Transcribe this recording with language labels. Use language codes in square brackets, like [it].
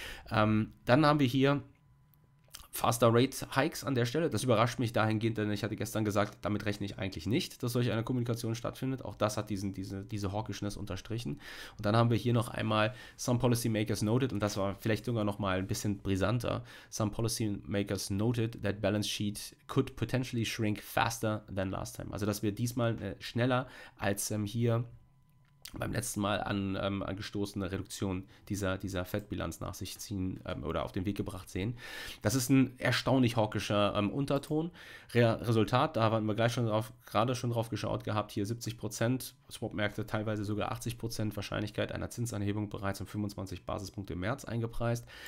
[de] Dann haben wir hier [en] Faster Rate Hikes [de] an der Stelle. Das überrascht mich dahingehend, denn ich hatte gestern gesagt, damit rechne ich eigentlich nicht, dass solch eine Kommunikation stattfindet. Auch das hat diese Hawkishness unterstrichen. Und dann haben wir hier noch einmal [en] Some Policymakers noted, [de] und das war vielleicht sogar noch mal ein bisschen brisanter. [en] Some Policymakers noted that Balance Sheet could potentially shrink faster than last time. [de] Also, dass wir diesmal schneller als hier beim letzten Mal an gestoßene Reduktion dieser Fettbilanz nach sich ziehen oder auf den Weg gebracht sehen. Das ist ein erstaunlich hawkischer Unterton. Resultat, da haben wir gerade schon drauf geschaut gehabt, hier 70%, Swap-Märkte teilweise sogar 80% Wahrscheinlichkeit einer Zinsanhebung bereits um 25 Basispunkte im März eingepreist.